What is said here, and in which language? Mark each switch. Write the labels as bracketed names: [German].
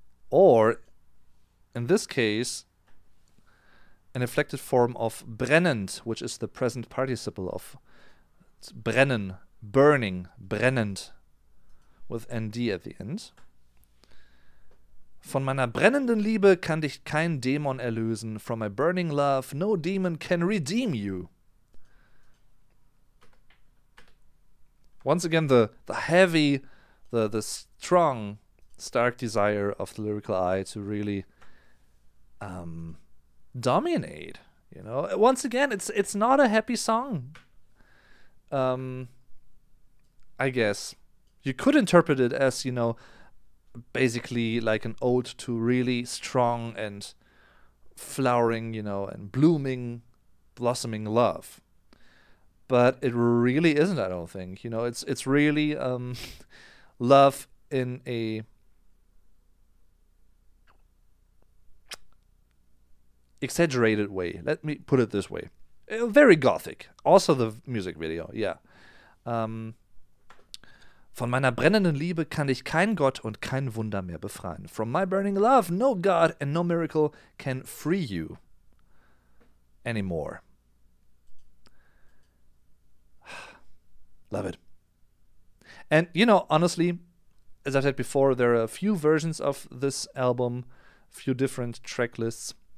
[English] Or, in this case, an inflected form of brennend, which is the present participle of brennen, burning, brennend, with nd at the end. [German] Von meiner brennenden Liebe kann dich kein Dämon erlösen. [English] From my burning love, no demon can redeem you. Once again, the heavy, the strong, stark desire of the lyrical eye to really dominate, you know. Once again, it's not a happy song. I guess you could interpret it as, you know, basically like an ode to really strong and flowering, you know, and blossoming love. But it really isn't, I don't think. You know, it's really love in a exaggerated way. Let me put it this way. Very gothic. Also the music video, yeah. [German] Von meiner brennenden Liebe kann ich kein Gott und kein Wunder mehr befreien. [English] From my burning love, no God and no miracle can free you anymore. Love it. And, you know, honestly, as I've said before, there are a few versions of this album, a few different track lists.